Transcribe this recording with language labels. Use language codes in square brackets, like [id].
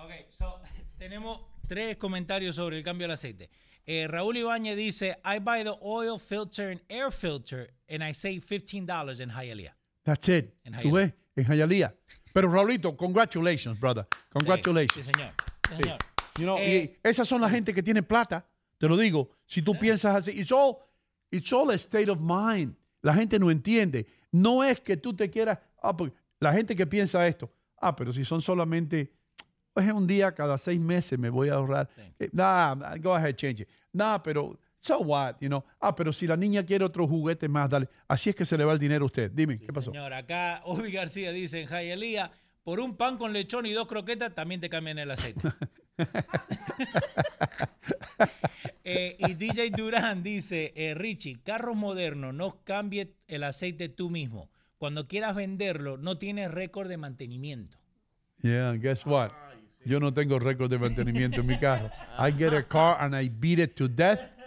[es] Okay, so tenemos tres comentarios sobre el cambio del aceite. [en] Raúl Ibañez dice, I buy the oil filter and air filter and I save $15 in Hialeah. That's it. [es] Tú ves, en Hialeah. [en] Pero Raulito, congratulations, brother. Congratulations. [es] Sí, señor. You know, y esas son la gente que tiene plata. Te lo digo. Si tú piensas así, [en] It's all a state of mind. [es] La gente no entiende. No es que tú te quieras... porque la gente que piensa esto, pero si son solamente... Pues un día cada 6 meses me voy a ahorrar. [en] Go ahead, change it. [es] Pero [en] So what, you know. [es] Ah, pero si la niña quiere otro juguete más, dale. Así es que se le va el dinero a usted. Dime, sí, ¿qué pasó? Señor, acá Obi García dice en Jayalía, por un pan con lechón y dos croquetas, también te cambian el aceite. y DJ Durán dice, Richie, carros modernos, no cambie el aceite tú mismo. Cuando quieras venderlo, no tienes récord de mantenimiento. [en] Yeah, and guess what? [es] Yo no tengo récord de mantenimiento en mi carro. [en] I get a car and I beat it to death.